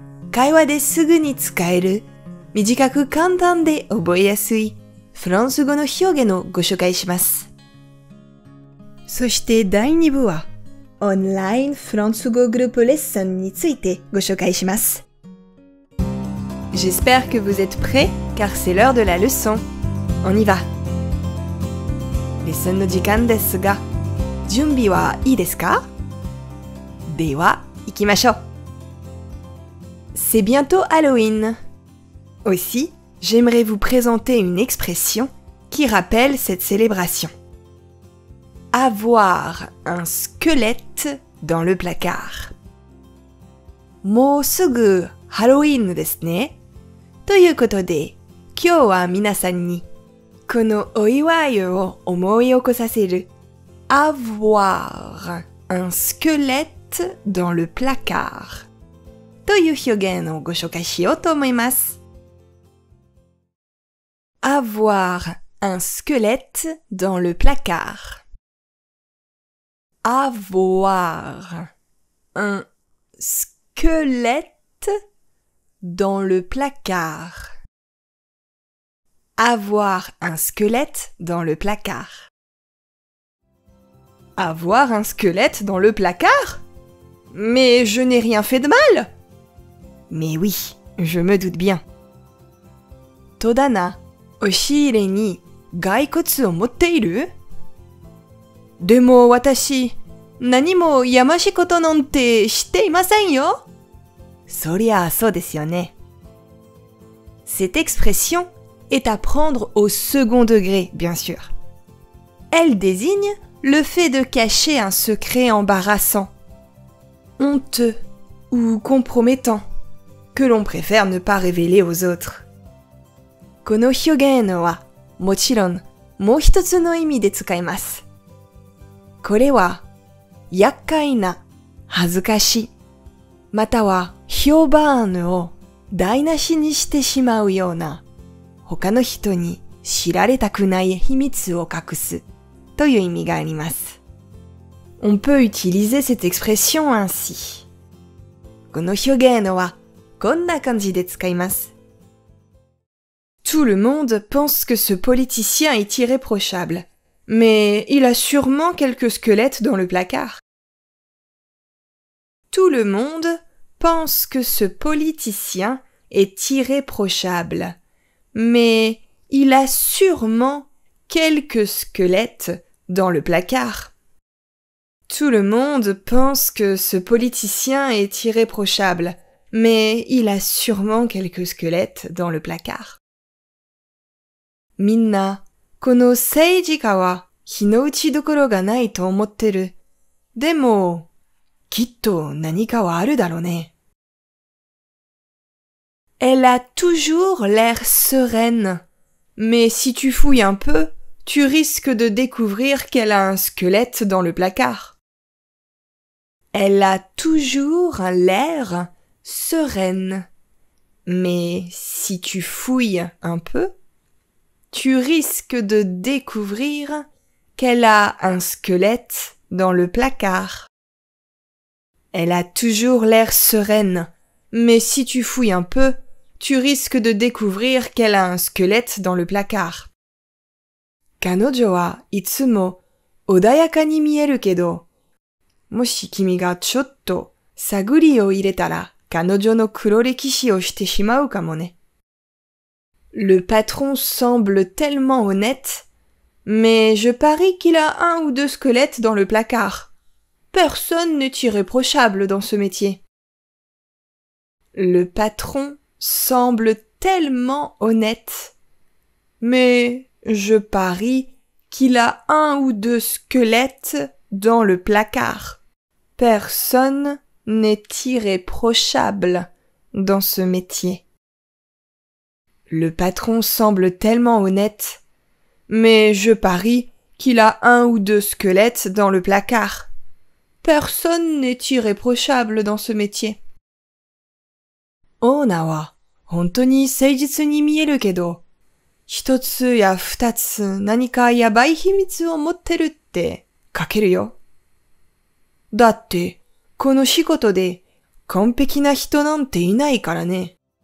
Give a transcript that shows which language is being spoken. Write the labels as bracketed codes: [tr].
[ja] 会話ですぐに使える、短く簡単で覚えやすいフランス語の表現をご紹介します。そして第2部は、オンラインフランス語グループレッスンについてご紹介します。 [fr] J'espère que vous êtes prêts, car c'est l'heure de la leçon. On y va. [ja] レッスンの時間ですが、準備はいいですか？では、行きましょう。 [fr] C'est bientôt Halloween. Aussi, j'aimerais vous présenter une expression qui rappelle cette célébration. Avoir un squelette dans le placard. [ja] もうすぐ Halloween ですね。ということで、今日は皆さんに、このお祝いを思い起こさせる、 [fr] avoir un squelette dans le placard [ja] という表現をご紹介しようと思います。 [fr] avoir un squelette dans le placard avoir un squelette dans le placard. Avoir un squelette dans le placard. Avoir un squelette dans le placard? Mais je n'ai rien fait de mal! Mais oui, je me doute bien. [ja] Todana, 押し入れに骸骨を持っている? でも私、何もやましいことなんてしていませんよ。そりゃそうですよね。 [fr] Cette expression est à prendre au second degré, bien sûr. Elle désigne le fait de cacher un secret embarrassant, honteux ou compromettant, que l'on préfère ne pas révéler aux autres. [ja] この表現はもちろんもう一つの意味で使います。これは厄介な、恥ずかしい、または評判を台無しにしてしまうような他の人に知られたくない秘密を隠すという意味があります。 [fr] On peut utiliser cette expression ainsi. [ja] この表現はこんな感じで使います。 [fr] Tout le monde pense que ce politicien est irréprochable, mais il a sûrement quelques squelettes dans le placard. Tout le monde pense que ce politicien est irréprochable, mais il a sûrement quelques squelettes dans le placard. Tout le monde pense que ce politicien est irréprochable, mais il a sûrement quelques squelettes dans le placard. [ja] Minna, この政治家は非の打ちどころがないと思ってる。でも、きっと何かはあるだろうね。 [fr] Elle a toujours l'air sereine, mais si tu fouilles un peu, tu risques de découvrir qu'elle a un squelette dans le placard. Elle a toujours l'air sereine, mais si tu fouilles un peu, tu risques de découvrir qu'elle a un squelette dans le placard. Elle a toujours l'air sereine, mais si tu fouilles un peu,Tu risques de découvrir qu'elle a un squelette dans le placard. [ja] 彼女はいつも穏やかに見えるけど、もし君がちょっと探りを入れたら、彼女の黒歴史をしてしまうかもね。 [fr] Le patron semble tellement honnête, mais je parie qu'il a un ou deux squelettes dans le placard. Personne n'est irréprochable dans ce métier. Le patron semble tellement honnête. Mais je parie qu'il a un ou deux squelettes dans le placard. Personne n'est irréprochable dans ce métier. Le patron semble tellement honnête. Mais je parie qu'il a un ou deux squelettes dans le placard. Personne n'est irréprochable dans ce métier. [ja] オーナーは本当に誠実に見えるけど、一つや二つ何かやばい秘密を持ってるって書けるよ。だってこの仕事で完璧な人なんていないからね。